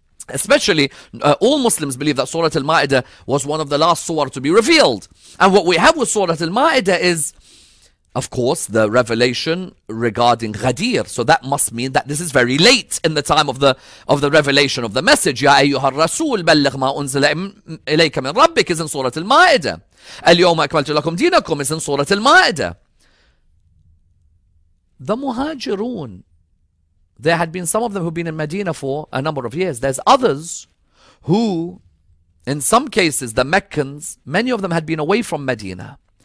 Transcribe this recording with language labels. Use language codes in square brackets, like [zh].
[en] Especially, all Muslims believe that Surah Al-Ma'idah was one of the last surah to be revealed. And what we have with Surah Al-Ma'idah is Of course, the revelation regarding Ghadir. So that must mean that this is very late in the time of the revelation of the message. [ar] يَا أَيُّهَا الرَّسُولُ بَلِّغْ مَا أُنزِلَ إِلَيْكَ مِنْ رَبِّكَ [en] is in Surah Al-Ma'idah. [ar] الْيَوْمَ أَكْمَلْتُ لَكُمْ دِينَكُمْ [en] is in Surah Al-Ma'idah. The Muhajirun, there had been some of them who've been in Medina for a number of years. There's others who, in some cases, the Meccans, many of them had been away from Medina.